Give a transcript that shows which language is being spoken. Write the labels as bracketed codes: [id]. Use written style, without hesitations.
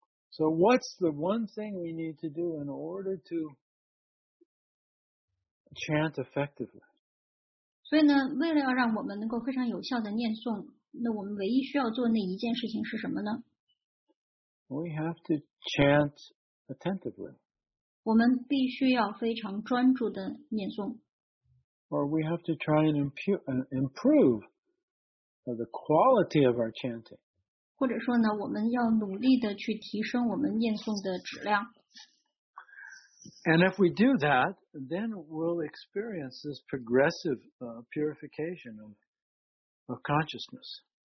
[en] So what's the one thing we need to do in order to chant effectively? [zh] 所以呢，为了要让我们能够非常有效的念诵，那我们唯一需要做那一件事情是什么呢？ [en] We have to chant attentively. [zh] 我们必须要非常专注的念诵。Or [en] we have to try and improve the quality of our chanting. [zh] 或者说呢，我们要努力的去提升我们念诵的质量。 [en] And if we do that, then we'll experience this progressive purification of consciousness.